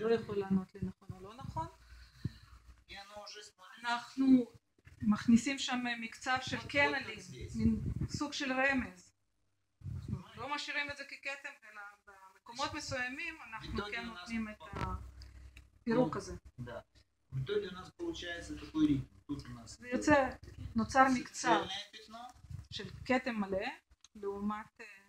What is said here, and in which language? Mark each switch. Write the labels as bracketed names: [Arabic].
[Hebrew] לא יכול לענות לי נכון או לא נכון. [Russian] И оно уже смотрит. [Hebrew] אנחנו מכניסים שם מקצב של קנלים, מין סוג של רמז. לא משאירים את זה ככתם, אלא במקומות מסוימים אנחנו כן נותנים את הפירוק הזה. בתוך זה אנחנו [Russian] получается такой ритм. [Hebrew] זה יוצא, נוצר מקצב של כתם מלא, לעומת...